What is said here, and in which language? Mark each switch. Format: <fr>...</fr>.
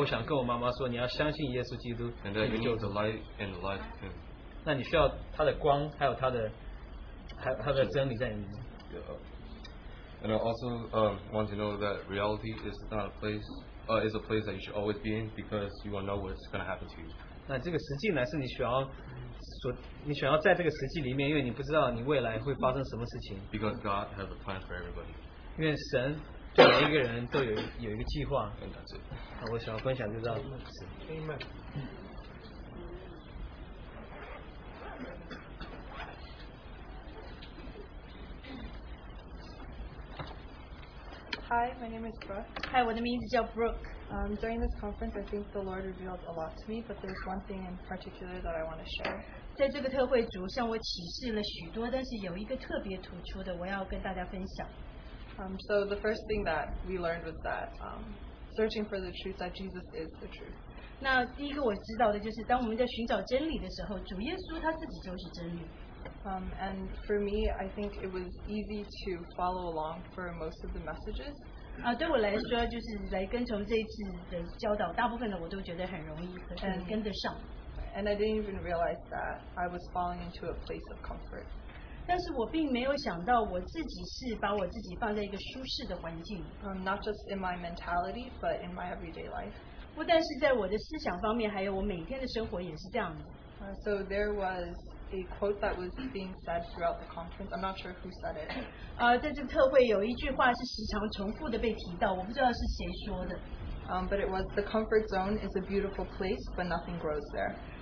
<zh>那我这次参加教会回家之后，我想跟我妈妈说，你要相信耶稣基督。</zh> <en>And that you need the light and the life of Him.</en> <zh>那你需要他的光，还有他的真理在里面。</zh> <en>Yeah. And I also want to know that reality is not a place, is a place that you should always be in because you won't know what's going to happen to you.</en> <zh>那这个实际呢，是你想要在这个实际里面，因为你不知道你未来会发生什么事情。</zh> <en>Because God has a plan for everybody.</en> <zh>因为神对每一个人都有一个计划。</zh> <en>And that's it.</en> <zh>那我想要分享就到此。Amen.</zh> <en>Hi, my name is Brooke.</en> <zh>Hi, 我的名字叫 Brooke.</zh> <en>During this conference, I think the Lord revealed a lot to me, but there's one thing in particular that I want to share.</en> <zh>在这个特会主向我启示了许多，但是有一个特别突出的，我要跟大家分享。</zh> <en>So the first thing that we learned was that searching for the truth, that Jesus is the truth.</en> <zh>那第一个我知道的就是，当我们在寻找真理的时候，主耶稣他自己就是真理。</zh> <en>And for me, I think it was easy to follow along for most of the messages.</en> <zh>对我来说，就是来跟从这一次的教导，大部分的我都觉得很容易，很跟得上。And</zh> <en>I didn't even realize that I was falling into a place of comfort.</en> <zh>但是我并没有想到我自己是把我自己放在一个舒适的环境。</zh> <en>Not just in my mentality, but in my everyday life.</en> <zh>不但是在我的思想方面，还有我每天的生活也是这样的。</zh> <en>So there was a quote that was being said throughout the conference. I'm not sure who said it.</en> <zh>在这个特会有一句话是时常重复的被提到，我不知道是谁说的。</zh> <en>But it was, the comfort zone is a beautiful place, but nothing grows there.</en>